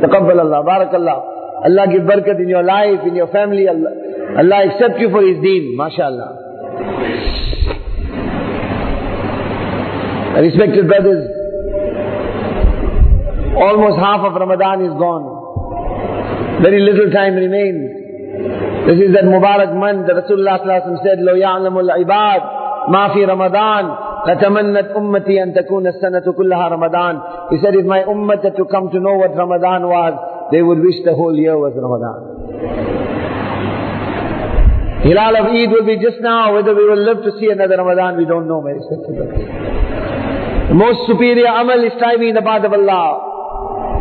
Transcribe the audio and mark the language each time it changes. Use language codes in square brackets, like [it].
[en] Taqabbal Allah, Barakallah. Allah give barakat in your life, in your family. Allah accept you for His deen. MashaAllah. Respected brothers, almost half of Ramadan is gone. Very little time remains. This is that Mubarak month that Rasulullah sallallahu alayhi wa sallam said, [ar] لَوْ يَعْلَمُ الْعِبَادِ مَا فِي رَمَضَانِ لَتَمَنَّتْ أُمَّتِي أَن تَكُونَ السَّنَةُ كُلَّهَا رَمَضَانِ. [en] He said, if my ummah had to come to know what Ramadan was, they would wish the whole year was Ramadan. Hilal of Eid will be just now. Whether we will live to see another Ramadan, we don't know. My respected brothers, the most superior amal is striving in the path of Allah.